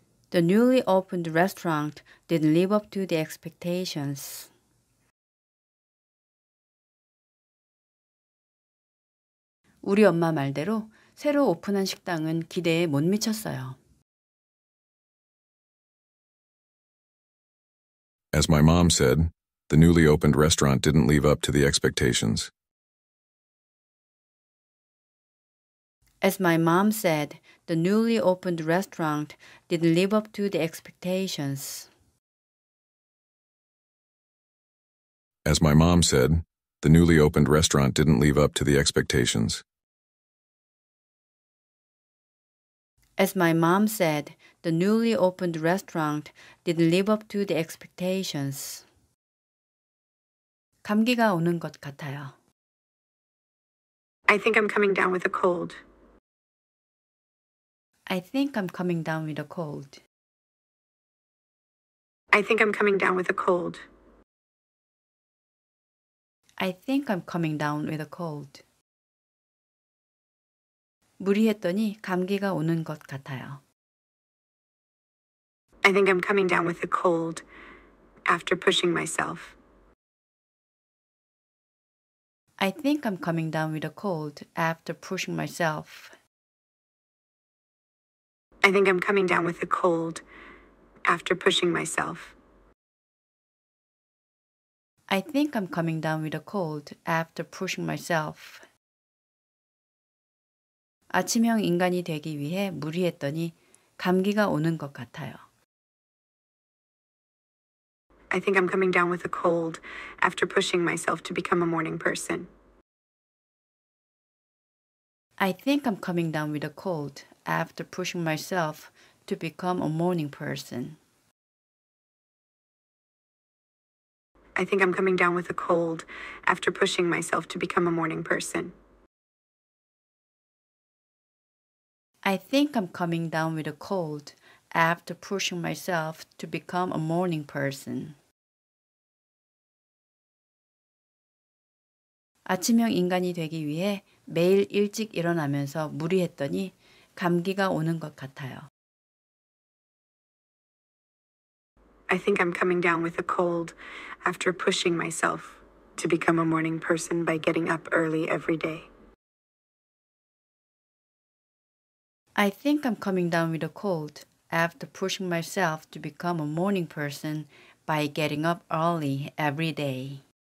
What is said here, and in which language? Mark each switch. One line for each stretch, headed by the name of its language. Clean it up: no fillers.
English: The newly opened restaurant didn't live up to the expectations.
Korean: 우리 엄마 말대로 새로 오픈한 식당은 기대에 못 미쳤어요.
English: As my mom said, the newly opened restaurant didn't live up to the expectations. As my mom said, the newly opened restaurant didn't live up to the expectations. As my mom said, the newly opened restaurant didn't live up to the expectations. As my mom said, the newly opened restaurant didn't live up to the expectations.
Korean: 감기가 오는 것 같아요.
English: I think I'm coming down with a cold. I think I'm coming down with a cold. I think I'm coming down with a cold. I think I'm coming down with a cold.
Korean: 무리했더니 감기가 오는 것 같아요.
English: I think I'm coming down with a cold after pushing myself. I think I'm coming down with a cold after pushing myself. I think I'm coming down with a cold after pushing myself. I think I'm coming down with a cold after pushing myself.
Korean: 아침형 인간이 되기 위해 무리했더니 감기가 오는 것 같아요.
English: I think I'm coming down with a cold after pushing myself to become a morning person. I think I'm coming down with a cold after pushing myself to become a morning person. I think I'm coming down with a cold after pushing myself to become a morning person. I think I'm coming down with a cold after pushing myself to become a morning person.
Korean: 아침형 인간이 되기 위해 매일 일찍 일어나면서 무리했더니 감기가 오는 것 같아요.
English: I think I'm coming down with a cold after pushing myself to become a morning person by getting up early every day. I think I'm coming down with a cold after pushing myself to become a morning person by getting up early every day.